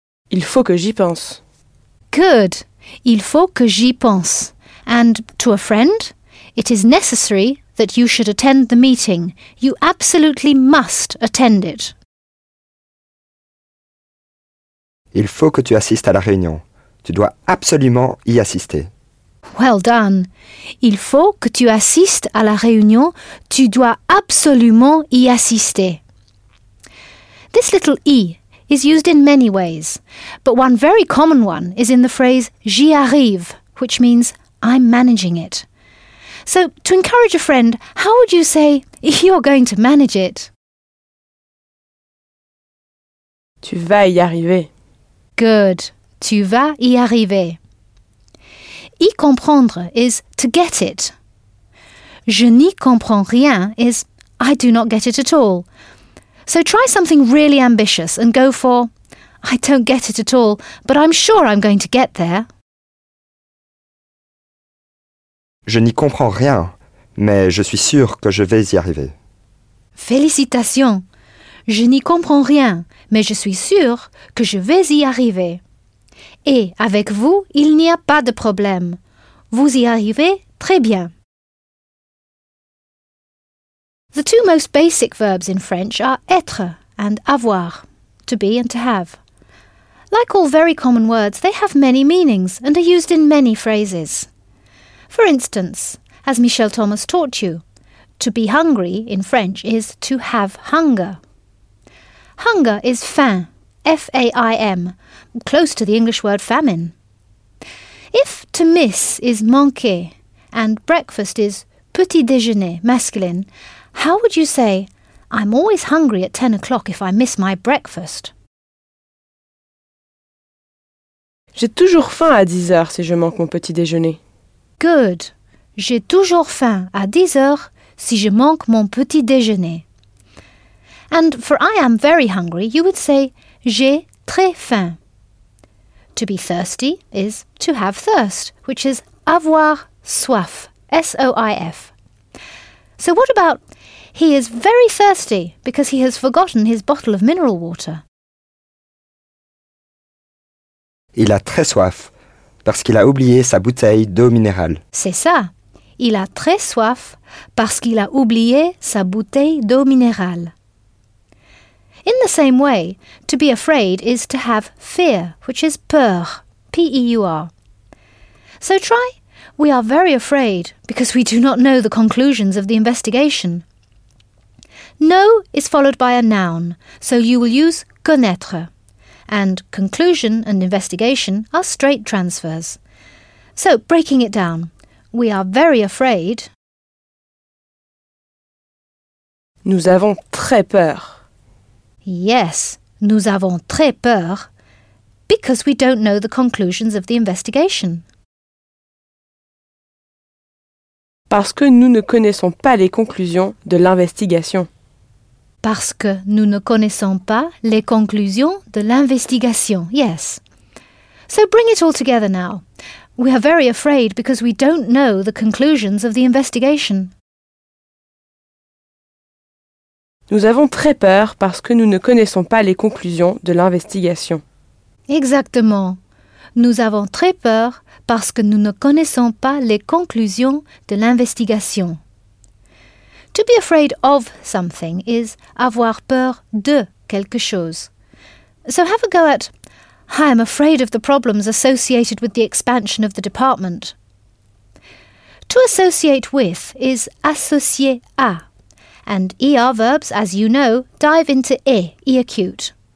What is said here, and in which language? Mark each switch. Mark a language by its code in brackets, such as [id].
[fr] Il faut que j'y pense. Good. Il faut que j'y pense. [en] And to a friend, it is necessary that you should attend the meeting. You absolutely must attend it. [fr] Il faut que tu assistes à la réunion. Tu dois absolument y assister. [en] Well done. [fr] Il faut que tu assistes à la réunion. Tu dois absolument y assister. [en] This little I is used in many ways. But one very common one is in the phrase j'y arrive, which means I'm managing it. So, to encourage a friend, how would you say you're going to manage it? [fr] Tu vas y arriver. Good. Tu vas y arriver. [en] Y comprendre is to get it. [fr] Je n'y comprends rien [en] is I do not get it at all. So try something really ambitious and go for I don't get it at all, but I'm sure I'm going to get there. [fr] Je n'y comprends rien, mais je suis sûr que je vais y arriver. Félicitations. Je n'y comprends rien, mais je suis sûr que je vais y arriver. Et avec vous, il n'y a pas de problème. Vous y arrivez très bien. [en] The two most basic verbs in French are être and avoir, to be and to have. Like all very common words, they have many meanings and are used in many phrases. For instance, as Michel Thomas taught you, to be hungry in French is to have hunger. Hunger is faim, F-A-I-M, close to the English word famine. If to miss is manquer and breakfast is petit déjeuner, masculine, how would you say, I'm always hungry at 10 o'clock if I miss my breakfast? [fr] J'ai toujours faim à 10 heures si je manque mon petit déjeuner. [en] Good. [fr] J'ai toujours faim à 10 heures si je manque mon petit déjeuner. [en] And for I am very hungry, you would say j'ai très faim. To be thirsty is to have thirst, which is avoir soif, S-O-I-F. So what about he is very thirsty because he has forgotten his bottle of mineral water? [fr] Il a très soif parce qu'il a oublié sa bouteille d'eau minérale. C'est ça. Il a très soif parce qu'il a oublié sa bouteille d'eau minérale. [en] In the same way, to be afraid is to have fear, which is peur, P-E-U-R. So try, we are very afraid because we do not know the conclusions of the investigation. Know is followed by a noun, so you will use connaître. And conclusion and investigation are straight transfers. So, breaking it down, we are very afraid. [fr] Nous avons très peur. [en] Yes, [fr] nous avons très peur, [en] because we don't know the conclusions of the investigation. [fr] Parce que nous ne connaissons pas les conclusions de l'investigation. Parce que nous ne connaissons pas les conclusions de l'investigation, yes. [en] So bring it all together now. We are very afraid because we don't know the conclusions of the investigation. [fr] Nous avons très peur parce que nous ne connaissons pas les conclusions de l'investigation. Exactement. Nous avons très peur parce que nous ne connaissons pas les conclusions de l'investigation. [en] To be afraid of something is [fr] avoir peur de quelque chose. [en] So have a go at I am afraid of the problems associated with the expansion of the department. To associate with is associer à. And ER verbs, as you know, dive into e acute.